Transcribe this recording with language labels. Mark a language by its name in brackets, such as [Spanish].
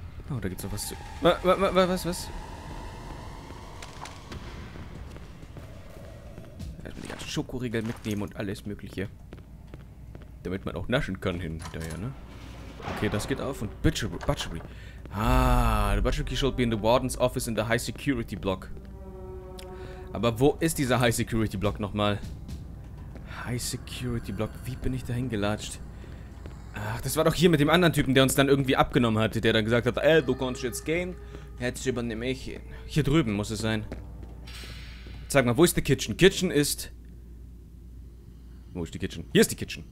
[German] Oh, da gibt's noch was zu. Was? Erstmal die ganzen Schokoriegel mitnehmen und alles Mögliche. Damit man auch naschen kann hinterher, ne? Okay, das geht auf. Und Butchery. [English] Ah, the Butchery should be in the Warden's Office in the High Security Block. [German] Aber wo ist dieser High Security Block nochmal? High Security Block. Wie bin ich da hingelatscht? Ach, das war doch hier mit dem anderen Typen, der uns dann irgendwie abgenommen hatte. Der dann gesagt hat, ey, du kannst jetzt gehen. Jetzt übernehme ich ihn. Hier drüben muss es sein. Sag mal, wo ist die Kitchen? Kitchen ist... Wo ist die Kitchen? Hier ist die Kitchen.